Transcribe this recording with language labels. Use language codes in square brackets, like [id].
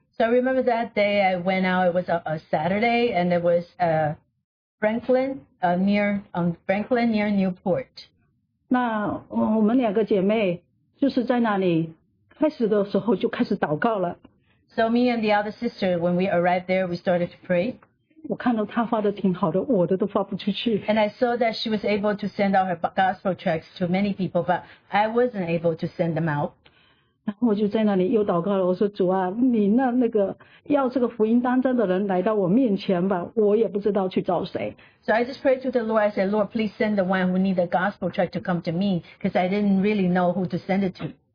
[en] So I remember that day I went out, it was a Saturday, and it was Franklin, Franklin near Newport. [zh] 那我们两个姐妹就是在那里开始的时候就开始祷告了。 [en] So me and the other sister, when we arrived there, we started to pray. [zh] 我看到她发的挺好的，我的都发不出去。 [en] And I saw that she was able to send out her gospel tracts to many people, but I wasn't able to send them out. [zh] 然后我就在那里又祷告了，我说主啊，你那个要这个福音当真的人来到我面前吧，我也不知道去找谁。 [en] So I just prayed to the Lord. I said, Lord, please send the one who need the gospel tract to come to me, because I didn't really know who to send it to.